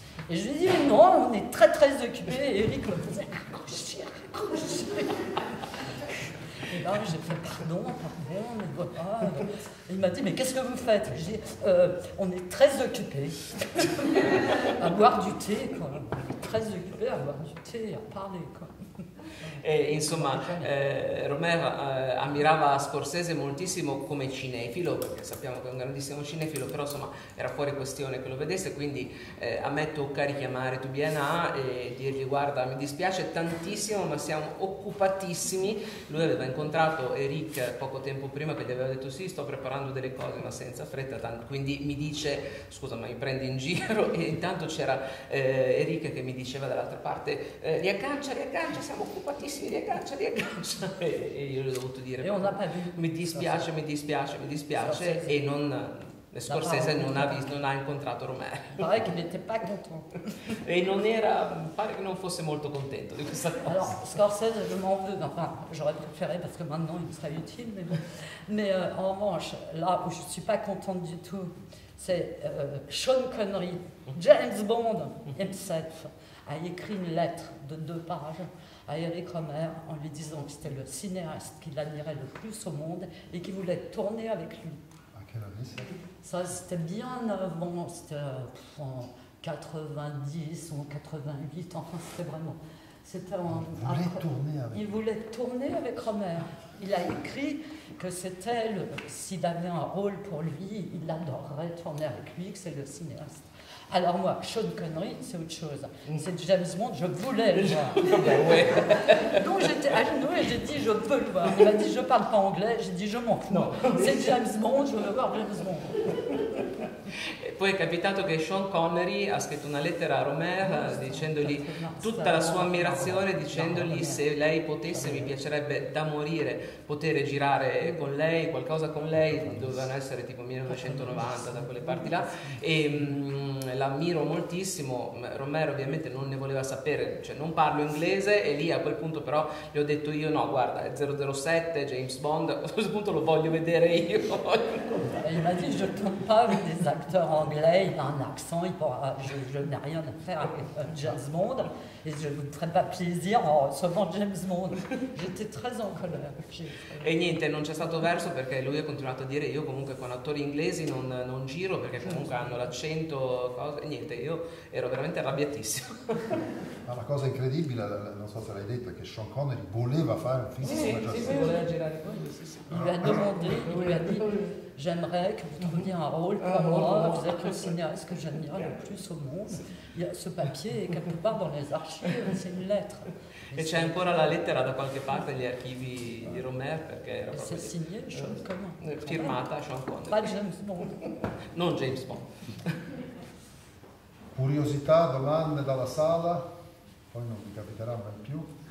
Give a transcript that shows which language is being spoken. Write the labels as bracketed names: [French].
[French] Et je lui dis: non, on est très très occupés. Et Eric me faisait accrocher. Et là, j'ai fait: pardon, mais voilà. Il m'a dit: mais qu'est-ce que vous faites? J'ai dit: on est très occupés à boire du thé, quoi. Très occupés à boire du thé et à parler, quoi. [Italian] E insomma, Romero ammirava Scorsese moltissimo come cinefilo, perché sappiamo che è un grandissimo cinefilo, però insomma era fuori questione che lo vedesse, quindi a me tocca richiamare Tubiana e dirgli: guarda, mi dispiace tantissimo, ma siamo occupatissimi. Lui aveva incontrato Eric poco tempo prima, che gli aveva detto: sì, sto preparando delle cose, ma senza fretta, quindi mi dice: scusa, ma mi prendi in giro? E intanto c'era Eric che mi diceva dall'altra parte: riaccancia, siamo occupatissimi, riaccancia. E io gli ho dovuto dire: e non ha [French] pas vu. [Italian] Mi dispiace. Scorsese. E non Scorsese non ha incontrato Romero. Pare che [French] n'était pas content. [Italian] E non era, pare che non fosse molto contento di questa cosa. [French] Alors, Scorsese, je m'en veux. Enfin, j'aurais préféré, parce que maintenant il serait utile. Mais, en revanche, là où je ne suis pas contente du tout, c'est Sean Connery, James Bond himself, a écrit une lettre de 2 pages. À Eric Romer en lui disant que c'était le cinéaste qu'il admirait le plus au monde et qu'il voulait tourner avec lui. À quelle année c'est ? Ça, c'était bien avant, c'était en 90 ou en 88, enfin c'était vraiment... Il voulait tourner avec Romer. Il a écrit que c'était le... S'il avait un rôle pour lui, il adorerait tourner avec lui, que c'est le cinéaste. Alors moi, Sean Connery, c'est autre chose. C'est James Bond, je voulais le voir. Ouais. Donc j'étais à genoux et j'ai dit: je veux le voir. Il m'a dit: je parle pas anglais. J'ai dit: je m'en fous. Non. C'est James Bond, je veux voir James Bond. [Italian] Poi è capitato che Sean Connery ha scritto una lettera a Romer dicendogli tutta la sua ammirazione, dicendogli: se lei potesse, mi piacerebbe da morire poter girare con lei, qualcosa con lei. Dovevano essere tipo 1990, da quelle parti là, e l'ammiro moltissimo. Romer ovviamente non ne voleva sapere, cioè non parlo inglese, e lì a quel punto però gli ho detto io: no, guarda, è 007, James Bond, a questo punto lo voglio vedere io. E immagino che non parli di [French] acteur anglais, il a un accent, il pourra, je n'ai rien à faire avec James Bond, et je ne vous ferai pas plaisir en recevant James Bond. J'étais très en colère. [Italian] E niente, non c'è stato verso perché lui ha continuato a dire io comunque con attori inglesi non giro perché comunque hanno l'accento, cose, niente, io ero veramente arrabbiatissimo. Ma la cosa incredibile, non so se l'hai detto, è che Sean Connery voleva fare un film. Sì, voleva girare con lui. [French] Il lui ha demandé, lui ha dit j'aimerais que vous teniez un rôle pour moi, vous êtes le cinéaste que j'admire le plus au monde. Il y a ce papier est quelque part dans les archives, c'est une lettre. [Italian] E c'è ancora la lettera da qualche parte negli archivi di Romer perché era proprio [French] e signé, Sean [Italian] firmata Sean Connery. Ma James Bond. Non James Bond. Curiosità, domande dalla sala, poi non vi capiterà mai più.